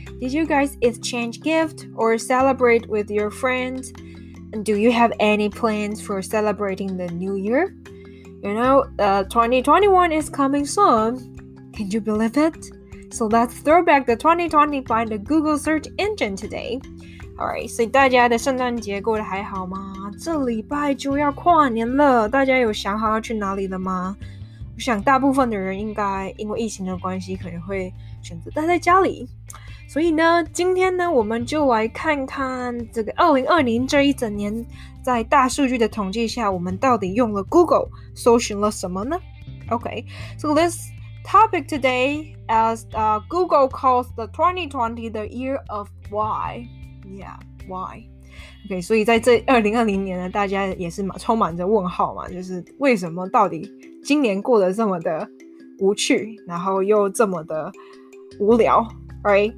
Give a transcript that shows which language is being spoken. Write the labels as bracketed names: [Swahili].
[English] Did you guys exchange gifts or celebrate with your friends? And do you have any plans for celebrating the new year? You know, 2021 is coming soon. Can you believe it? So let's throw back the 2020 by the Google search engine today. [Chinese] Alright, 所以大家的圣诞节过得还好吗？这礼拜就要跨年了，大家有想好要去哪里了吗？我想大部分的人应该因为疫情的关系可能会选择待在家里。所以呢，今天呢，我们就来看看这个2020这一整年在大数据的统计下，我们到底用了 Google 搜寻了什么呢？ [English] Okay, so this topic today as Google calls the 2020 the year of why. Yeah, why? [Chinese] Okay, 所以在这2020年呢，大家也是充满着问号嘛，就是为什么到底今年过得这么的无趣，然后又这么的无聊 ，right?